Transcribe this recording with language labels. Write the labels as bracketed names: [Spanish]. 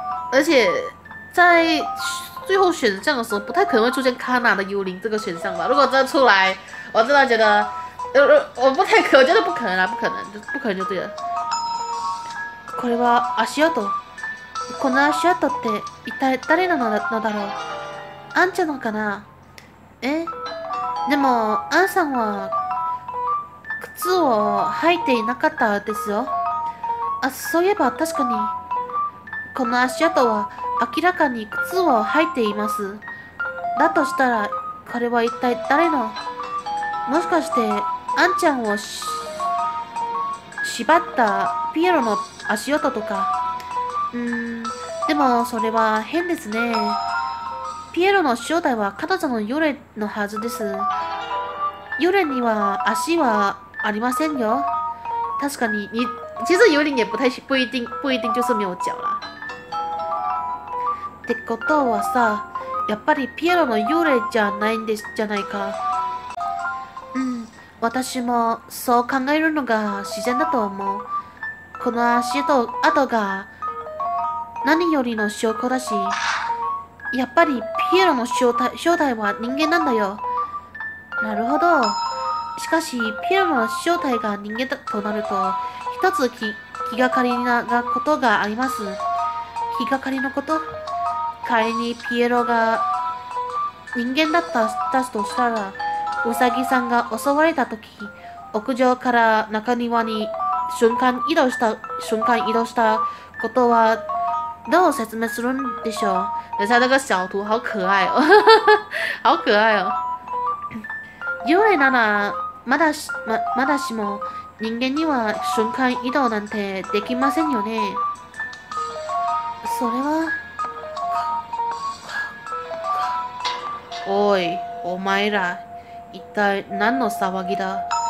[Chinese] 而且在最后选项的时候不太可能会出现卡纳的幽灵这个选项吧。如果真的出来，我真的觉得我不太可能，我觉得不可能啊，不可能，就不可能就对了。 [Japanese] これは足跡。この足跡って一体誰なのだろう。アンちゃんのかな。え？でもアンさんは靴を履いていなかったですよ。あ、そういえば確かにこの足跡は明らかに靴を履いています。だとしたらこれは一体誰の。もしかしてアンちゃんを縛ったピエロの足音とか。でもそれは変ですね。ピエロの正体は彼女の幽霊のはずです。幽霊には足はありませんよ。確かに [Chinese] 其实幽霊也不一定就是没有脚啦。 [Japanese] ってことはさ、やっぱりピエロの幽霊じゃないんですじゃないか。私もそう考えるのが自然だと思う。この足と跡が何よりの証拠だし、やっぱりピエロの正体は人間なんだよ。なるほど。しかしピエロの正体が人間だとなると、一つ気がかりなことがあります。気がかりのこと？仮にピエロが人間だったとしたら、ウサギさんが襲われた時、屋上から中庭に瞬間移動したことはどう説明するんでしょう。 [Chinese] 等下那个小图好可爱哦，好可爱哦。 [Japanese] 幽霊ならまだしも人間には瞬間移動なんてできませんよね。それは。おい、お前ら。一体何の騒ぎだ。